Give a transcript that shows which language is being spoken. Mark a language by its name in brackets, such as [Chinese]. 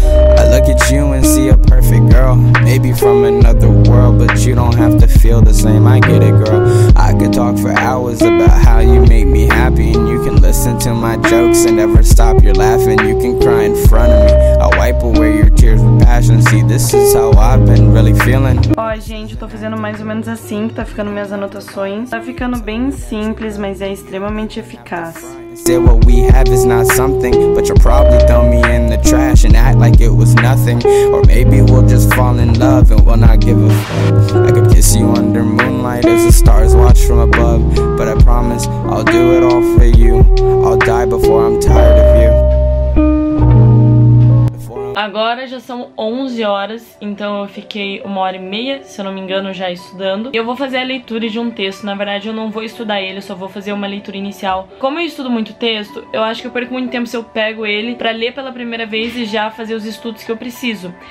[English] I look at you and see a perfect girl, maybe from another world, but you don't have to feel the same, I get it girl. I could talk for hours about how you make me happy, and you can listen to my jokes and never stop your laughing. You can cry in front of me, I'll wipe away your tears with passion. See, this is how I've been really feeling. [Portuguese] Ó, gente, eu tô fazendo mais ou menos assim que tá ficando minhas anotações. Tá ficando bem simples, mas é extremamente eficaz. [English] Say what we have is not something, but you'll probably throw me in the trash and act like it was nothing. Or maybe we'll just fall in love and we'll not give a fuck. I could kiss you under moonlight as the stars watch from above, but I promise I'll do it all for you. I'll die before I'm tired of you. [Portuguese] Agora já são 11 horas, então eu fiquei 1:30, se eu não me engano, já estudando. E eu vou fazer a leitura de um texto, na verdade eu não vou estudar ele, eu só vou fazer uma leitura inicial. Como eu estudo muito texto, eu acho que eu perco muito tempo se eu pego ele pra ler pela primeira vez e já fazer os estudos que eu preciso.